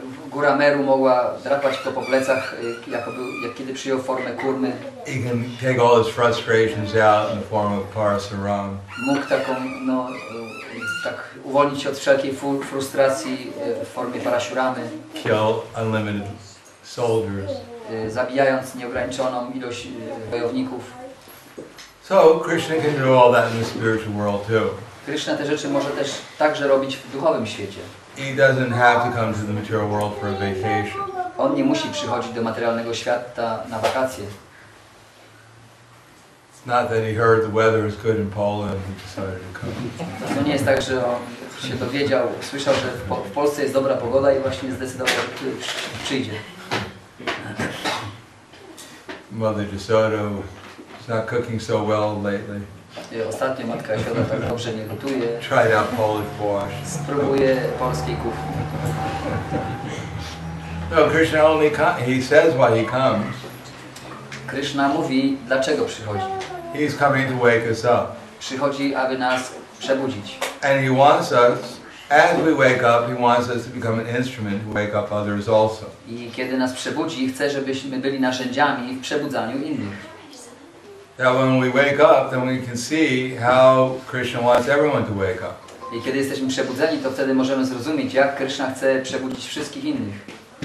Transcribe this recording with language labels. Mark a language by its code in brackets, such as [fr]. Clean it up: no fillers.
[pl] Góra Meru mogła drapać go po plecach, jak kiedy przyjął formę kurmy. [en] He can take all his frustrations out in the form of parasaram. [pl] Mógł taką, no, tak uwolnić się od wszelkiej frustracji w formie parasuramy. [en] Kill unlimited soldiers. [pl] Zabijając nieograniczoną ilość wojowników. [en] So Krishna can do all that in the spiritual world too. [pl] Krishna te rzeczy może też także robić w duchowym świecie. [en] He doesn't have to come to the material world for a vacation. [pl] On nie musi przychodzić do materialnego świata na wakacje. [en] It's not that he heard the weather is good in Poland and decided to come. [pl] To nie jest tak, że on się dowiedział, słyszał, że w Polsce jest dobra pogoda i właśnie zdecydował, że przyjdzie. [en] Mother Jasoda is not cooking so well lately. [pl] Ostatnio matka Jasoda tak dobrze nie gotuje. [en] Try out Polish wash. [pl] Spróbuję polskiej kuchni. [en] No, Krishna only comes. He says why he comes. [pl] Krishna mówi, dlaczego przychodzi. [en] He's coming to wake us up. [pl] Przychodzi, aby nas przebudzić. [en] And he wants us, as we wake up, he wants us to become an instrument to wake up others also. [pl] I kiedy nas przebudzi, chce, żebyśmy byli narzędziami w przebudzaniu innych. [en] That when we wake up, then we can see how Krishna wants everyone to wake up. [pl] I kiedy jesteśmy przebudzeni, to wtedy możemy zrozumieć, jak Krishna chce przebudzić wszystkich innych.